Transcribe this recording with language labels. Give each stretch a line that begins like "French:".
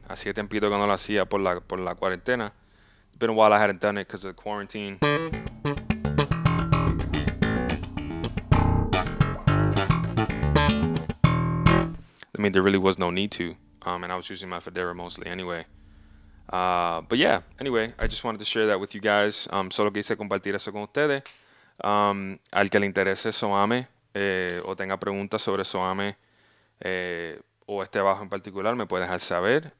Spanish: Hacía tiempito que no lo hacía por la cuarentena.
English: It's been a while I hadn't done it because of the quarantine. Mean, there really was no need to. And I was using my Federer mostly anyway. But yeah, anyway, I just wanted to share that with you guys.
Spanish: Solo quise compartir eso con ustedes. Al que le interese Soame, o tenga preguntas sobre Soame, o este bajo en particular, me puede dejar saber.